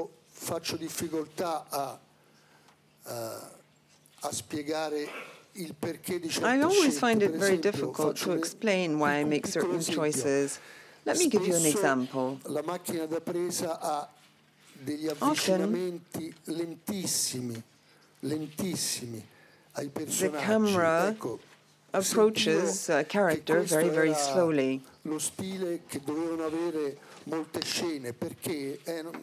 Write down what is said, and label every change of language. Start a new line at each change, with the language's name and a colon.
Italian: Faccio difficoltà a spiegare il perché di certe scelte.
English: I always find it very difficult to explain why I make certain choices. Let me give you an example.
Italian: La macchina da presa ha degli avvicinamenti lentissimi ai personaggi.
English: The camera approaches a character very, very slowly.
Italian: Lo stile che dovevano avere molte scene perché è